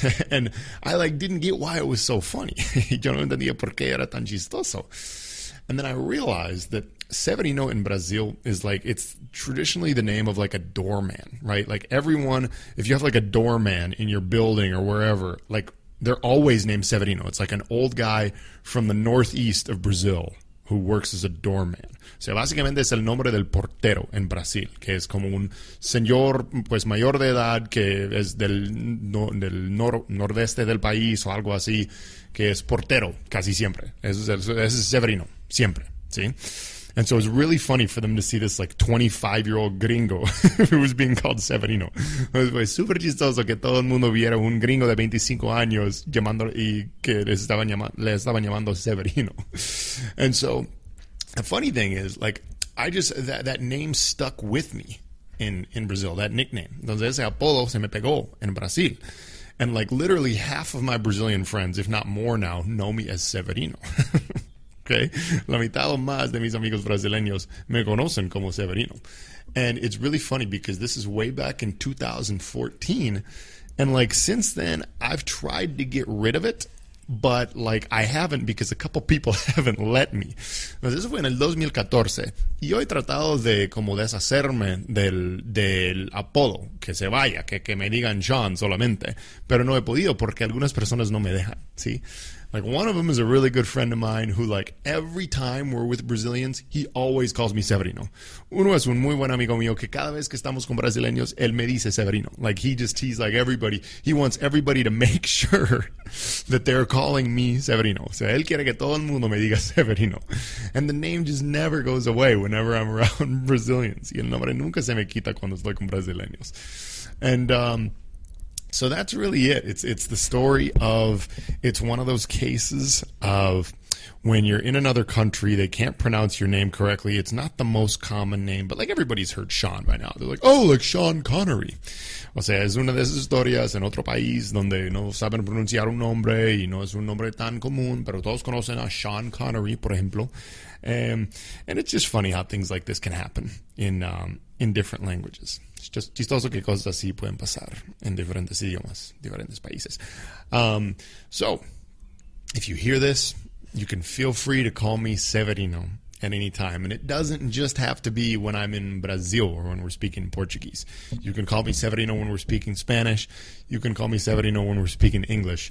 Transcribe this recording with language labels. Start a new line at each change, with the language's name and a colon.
English: And I like didn't get why it was so funny.
Spanish: Yo no entendía por qué era tan chistoso.
English: And then I realized that Severino in Brazil is like, it's traditionally the name of like a doorman, right? Like everyone, if you have like a doorman in your building or wherever, like they're always named Severino. It's like an old guy from the northeast of Brazil who works as a doorman.
Spanish: So básicamente es el nombre del portero en Brasil, que es como un señor pues mayor de edad que es del, del nordeste del país o algo así, que es portero casi siempre. Ese es Severino, siempre, ¿sí?
English: And so it was really funny for them to see this like 25-year-old gringo who was being called Severino.
Spanish: It was super chistoso que todo el mundo viera un gringo de 25 años llamando y que le estaban llamando Severino.
English: And so the funny thing is, like, I just, that name stuck with me in Brazil, that nickname.
Spanish: Entonces ese apodo se me pegó en Brasil.
English: And like literally half of my Brazilian friends, if not more now, know me as Severino. Okay.
Spanish: La mitad o más de mis amigos brasileños me conocen como Severino.
English: And it's really funny because this is way back in 2014. And like since then, I've tried to get rid of it. But like I haven't because a couple people haven't let me.
Spanish: Entonces eso fue en el 2014. Y yo he tratado de como deshacerme del apodo. Que se vaya, que me digan John solamente. Pero no he podido porque algunas personas no me dejan, ¿sí?
English: Like one of them is a really good friend of mine who like every time we're with Brazilians, he always calls me Severino.
Spanish: Uno es un muy buen amigo mío que cada vez que estamos con brasileños, él me dice Severino.
English: Like he's like everybody. He wants everybody to make sure that they're calling me Severino.
Spanish: O sea, él quiere que todo el mundo me diga Severino.
English: And the name just never goes away whenever I'm around Brazilians.
Spanish: Y el nombre nunca se me quita cuando estoy con brasileños.
English: And so that's really it. It's the story of, it's one of those cases of when you're in another country, they can't pronounce your name correctly. It's not the most common name, but like everybody's heard Sean by now. They're like, oh, like Sean Connery.
Spanish: O sea, es una de esas historias en otro país donde no saben pronunciar un nombre y no es un nombre tan común, pero todos conocen a Sean Connery, por ejemplo.
English: And it's just funny how things like this can happen in different languages.
Spanish: Just chistoso que cosas así pueden pasar en diferentes idiomas, diferentes países.
English: So, if you hear this, you can feel free to call me Severino at any time. And it doesn't just have to be when I'm in Brazil or when we're speaking Portuguese. You can call me Severino when we're speaking Spanish. You can call me Severino when we're speaking English.